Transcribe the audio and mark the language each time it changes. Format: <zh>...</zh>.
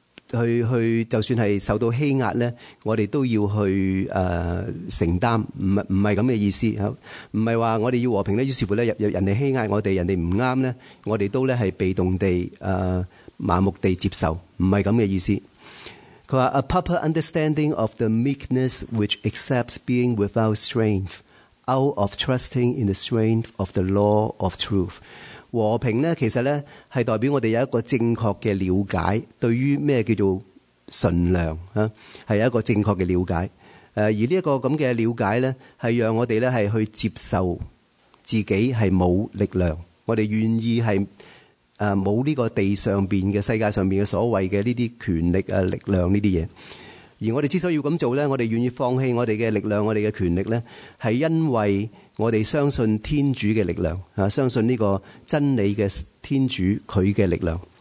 <zh>去就算是受到欺压呢，我们都要去承担，不是这样的意思。不是说我们要和平呢，于是乎呢人家欺压我们，人家不啱呢，我们都是被动地麻木地接受，不是这样的意思。他说</zh> <en>,A proper understanding of the meekness which accepts being without strength, out of trusting in the strength of the law of truth。</en> <zh>和平呢，其实呢是代表我们有一个正确的了解，对于什么叫做纯良，是有一个正确的了解。而这个这样的了解呢，是让我们去接受自己是没有力量，我们愿意是没有这个地上面的世界上面的所谓的这些权力力量这些东西。而我们之所以要这样做呢，我们愿意放弃我们的力量我们的权力呢，是因为我们相信天主的力量，相信这个真理的天主他的力量。</zh>